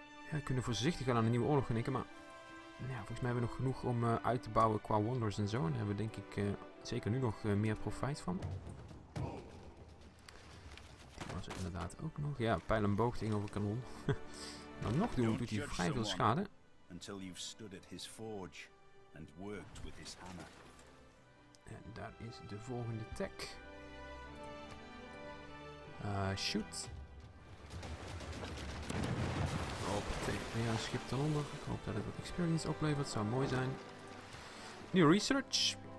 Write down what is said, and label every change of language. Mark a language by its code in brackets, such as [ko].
[nl] Ja, we kunnen voorzichtig gaan aan een nieuwe oorlog genikken, maar ja, volgens mij hebben we nog genoeg om uit te bouwen qua wonders en zo. En daar hebben we denk ik zeker nu nog meer profijt van. Die was er inderdaad ook nog. Ja, pijl en boog tegenover kanon. Maar nog doet hij vrij veel schade. [en] Until you've stood at his forge and worked with his hammer. [nl] En daar is de volgende tech. [en] Shoot. [nl] Op weer een schip ten onder. Ik hoop dat het wat experience oplevert. Zou mooi zijn. [en] New research.